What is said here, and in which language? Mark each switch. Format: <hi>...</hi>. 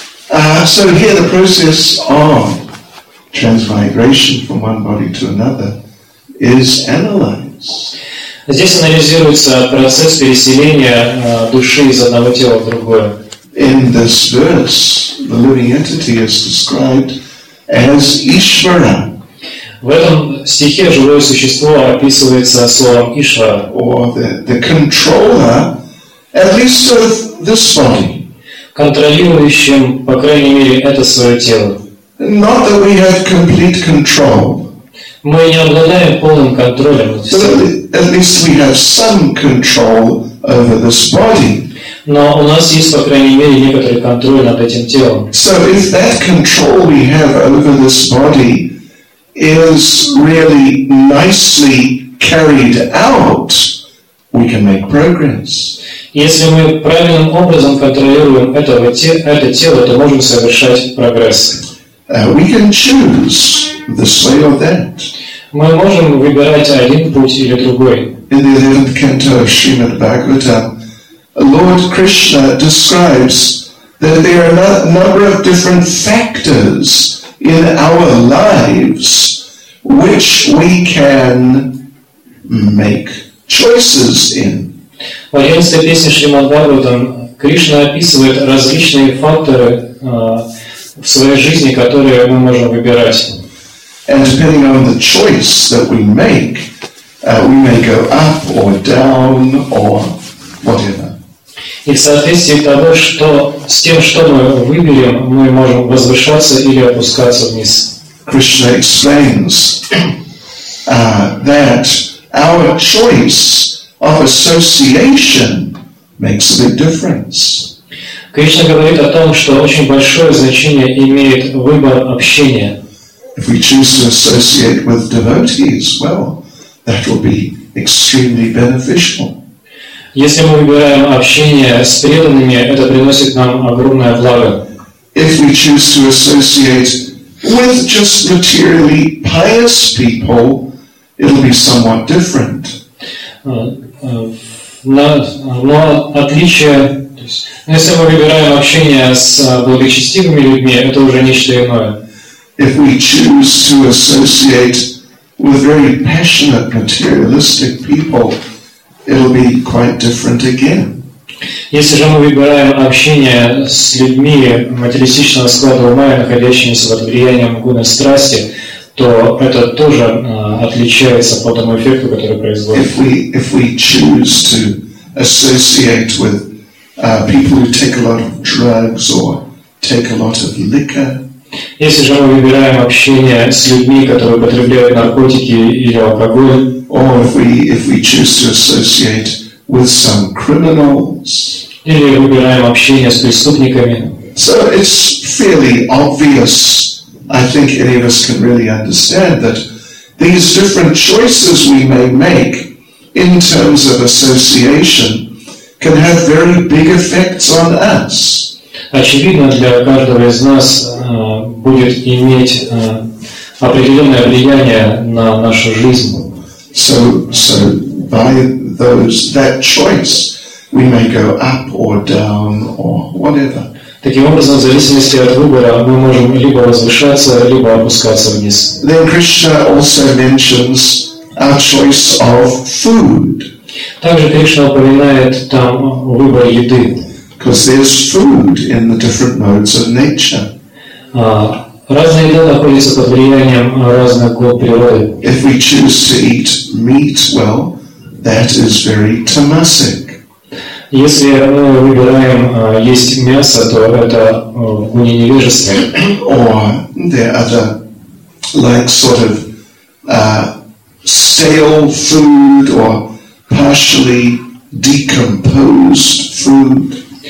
<en>So here the process of transmigration from one body to another is analyzed.</en> <ru>Здесь анализируется процесс переселения души из одного тела в другое.</ru> <en>In this verse, the living entity is described as Ishvara.</en> <ru>В этом стихе живое существо описывается словом Ишвара.</ru> <en>Or the controller, at least of this body.</en> <ru>Контролирующим, по крайней мере, это свое тело.</ru> <en>Not that we have complete control.</en> <ru>Мы не обладаем полным контролем.</ru> <en>At least we have some control over this body.</en> <ru>Но у нас есть, по крайней мере, некоторый контроль над этим телом.</ru> <en>So if that control we have over this body is really nicely carried out, we can make progress.</en> <ru>Если мы правильным образом контролируем это тело, то можем совершать прогресс.</ru> <en>We can choose this way or that.</en> <ru>Мы можем выбирать один путь или другой.</ru> <en>In the 11th canto of Srimad Bhagavatam, Lord Krishna describes that there are a number of different factors in our lives which we can make choices in.</en> <ru>В 11-й песне Шримад Бхагаватам Кришна описывает различные факторы в своей жизни, которые мы можем выбирать.</ru> <en>And depending on the choice that we may go up or down or whatever.</en> <ru>И в соответствии того, что с тем, что мы выберем, мы можем возвышаться или опускаться вниз.</ru> <en>Krishna explains that our choice of association makes a big difference.</en> <ru>Кришна говорит о том, что очень большое значение имеет выбор общения.</ru> <en>If we choose to associate with devotees, well, that will be extremely beneficial.</en> <ru>Если мы выбираем общение с преданными, это приносит нам огромное благо.</ru> <en>If we choose to associate with just materially pious people, it'll be somewhat different.</en> <ru>Но отличие, то есть, если мы выбираем общение с благочестивыми людьми, это уже нечто иное.</ru> <en>If we choose to associate with very passionate materialistic people, it'll be quite different again.</en> <ru>Если же мы выбираем общение с людьми материалистичного склада ума, находящимися под влиянием гуны страсти, то это тоже отличается по тому эффекту, который производит.</ru> <en>If we choose to associate with people who take a lot of drugs or take a lot of liquor.</en> <ru>Если же мы выбираем общение с людьми, которые употребляют наркотики или алкоголь,</ru> <en>or if we choose to associate with some criminals,</en> <ru>или выбираем общение с преступниками.</ru> <en>So it's fairly obvious, I think any of us can really understand, that these different choices we may make in terms of association can have very big effects on us.</en> <ru>Очевидно, для каждого из нас будет иметь определенное влияние на нашу жизнь.</ru> <en>So by that choice, we may go up or down or whatever.</en> <ru>Таким образом, в зависимости от выбора, мы можем либо возвышаться, либо опускаться вниз.</ru> <en>Then Krishna also mentions our choice of food.</en> <ru>Также Кришна упоминает там выбор еды.</ru> <en>Because there's food in the different modes of nature.</en> <ru>Разная еда находится под влиянием разных глав природы.</ru> <en>If we choose to eat meat, well, that is very tamasic.</en> <ru>Если мы выбираем есть мясо, то это гуни невежества.</ru> <en>Or there are other, like sort of stale food or partially decomposed food.</en>